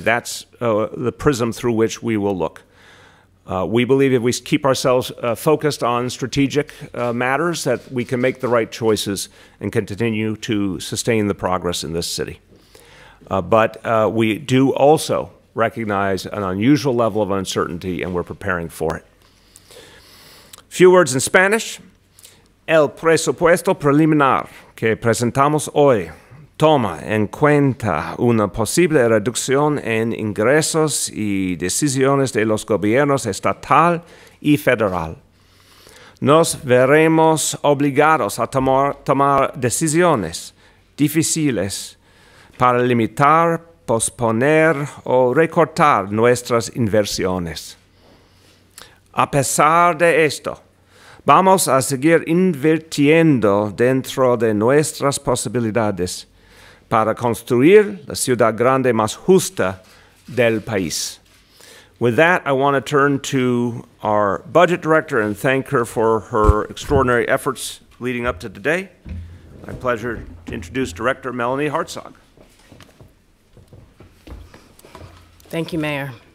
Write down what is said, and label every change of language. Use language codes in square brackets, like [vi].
[en] That's the prism through which we will look. We believe if we keep ourselves focused on strategic matters that we can make the right choices and continue to sustain the progress in this city. But we do also recognize an unusual level of uncertainty, and we're preparing for it. Few words in Spanish. [es] El presupuesto preliminar que presentamos hoy toma en cuenta una posible reducción en ingresos y decisiones de los gobiernos estatal y federal. Nos veremos obligados a tomar decisiones difíciles para limitar, posponer o recortar nuestras inversiones. A pesar de esto, vamos a seguir invirtiendo dentro de nuestras posibilidades para construir la ciudad grande más justa del país. [en] With that, I want to turn to our budget director and thank her for her extraordinary efforts leading up to today. My pleasure to introduce Director Melanie Hartsock. Thank you, Mayor.